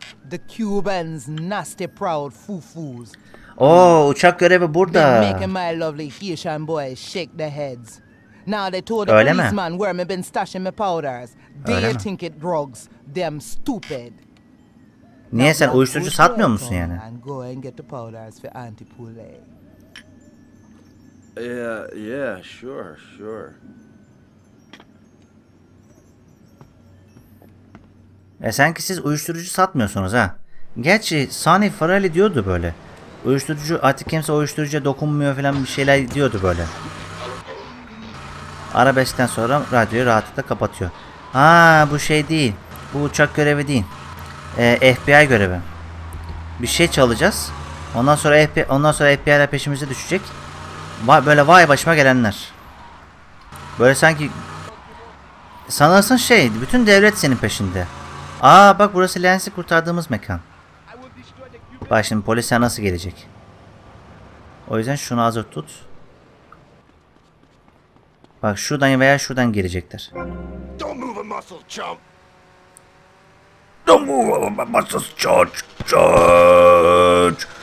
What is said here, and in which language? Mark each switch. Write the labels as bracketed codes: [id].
[en] The Cubans nasty proud foo-foos. [tr] Oh, uçak görevi burada. [en] Make my lovely Haitian boys shake their heads. Now they told the policeman where me been stashing my powders. They think it drugs. Them stupid. [tr] Niye sen uyuşturucu satmıyor musun yani? [en] And go and get the powders for Auntie Poulet. Yeah, sure. [tr] Sanki siz uyuşturucu satmıyorsunuz ha. Gerçi Sunny Farrelly diyordu böyle. Uyuşturucu, artık kimse uyuşturucuya dokunmuyor falan bir şeyler diyordu böyle. Arabeskten sonra radyoyu rahatlıkla kapatıyor. Ha, bu şey değil. Bu uçak görevi değil. FBI görevi. Bir şey çalacağız. Ondan sonra FBI'ler peşimize düşecek. Böyle vay başıma gelenler. Böyle sanki sanırsın şey, bütün devlet senin peşinde. Aa bak, burası Lens'i kurtardığımız mekan. Bak şimdi polise nasıl gelecek? O yüzden şunu hazır tut. Bak şuradan veya şuradan gelecekler. [en] Don't move a muscle, chump. Don't move a muscle, charge.